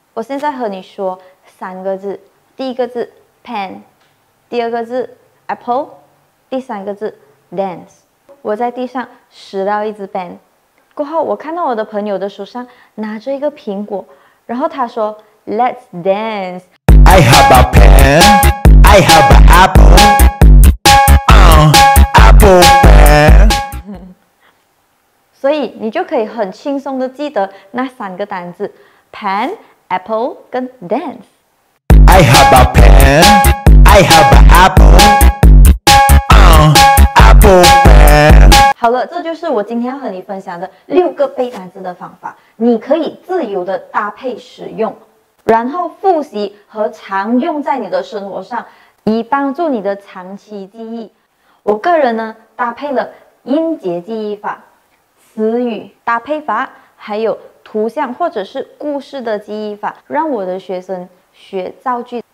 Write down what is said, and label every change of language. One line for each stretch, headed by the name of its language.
Chinese: 我现在和你说三个字，第一个字 pen， 第二个字 apple，第三个字 dance。我在地上拾到一支 pen， 过后我看到我的朋友的手上拿着一个苹果，然后他说
English: Let's dance。 I have a pen， I have an apple、apple pen。
Chinese: 所以你就可以很轻松地记得那三个单字 pen、 apple 跟 dance。
English: I have a pen， I have an apple。
Chinese: 好了，这就是我今天要和你分享的六个背单词的方法，你可以自由的搭配使用，然后复习和常用在你的生活上，以帮助你的长期记忆。我个人呢搭配了音节记忆法、词语搭配法还有图像或者是故事的记忆法，让我的学生学造句。